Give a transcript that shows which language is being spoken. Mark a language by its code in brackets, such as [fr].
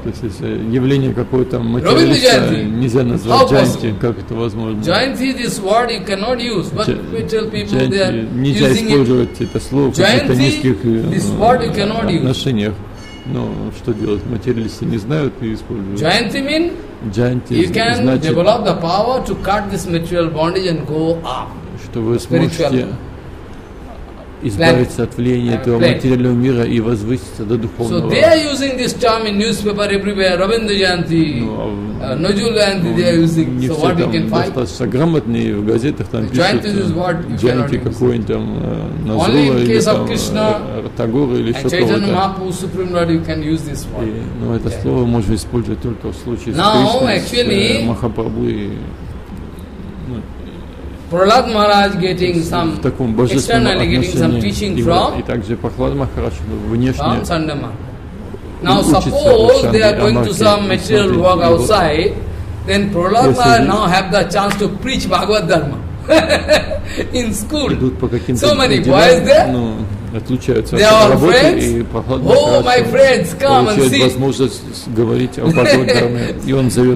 [ru] То есть если явление какое-то материалиста нельзя назвать джайнти, как это возможно? [en] Джайнти this word you cannot use, but material people they are using it. [ru] Нельзя использовать это слово в каких-то низких отношениях. Но что делать, материалисты не знают и используют. [en] Джайнти mean? Джайнти you can [ru] значит, [en] develop the power to cut this material bondage and go up. [ru] то вы сможете избавиться от влияния этого материального мира и возвыситься до духовного. [en] So they are using this term in newspaper everywhere. Rabindra Jayanti, Nojul Jayanti, they are using. So what we can find? [ru] Достаточно грамотные в газетах там пишут. Jayanti какой-нибудь там Назрула или там Тагора или что-то. [en] Only in case of Krishna, Supreme Lord, you can use this word. [ru] Но это слово можно использовать только в случае с Кришной, Махапрабху и [en] Прахлад Махарадж getting some external, getting some teaching from. [ru] И также Прахлад Махарадж внешне. [en] From Sandama. Now suppose they are going to some material work outside, then Прахлад Махарадж now have the chance to preach Bhagavad Dharma in school. [ru] Идут по каким-то. [en] So many boys there. [ru] Ну, отлучаются от работы и Прахлад Махарадж получает возможность говорить о Бхагавад Дхарме, и он зовет